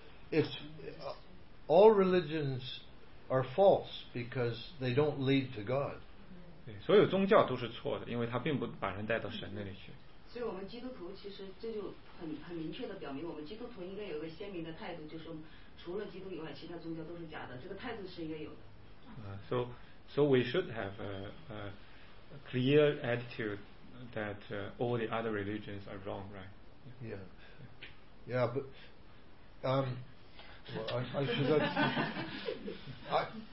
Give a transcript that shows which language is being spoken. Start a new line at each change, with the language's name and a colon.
English: It's all religions are false because they don't lead to God.
Chinese: 所有宗教都是错的，因为它并不把人带到神那里去。所以我们基督徒其实这就很明确的表明，我们基督徒应该有个鲜明的态度，就是除了基督以外，其他宗教都是假的。这个态度是应该有的。
English: So we should have a clear attitude that all the other religions are wrong, right?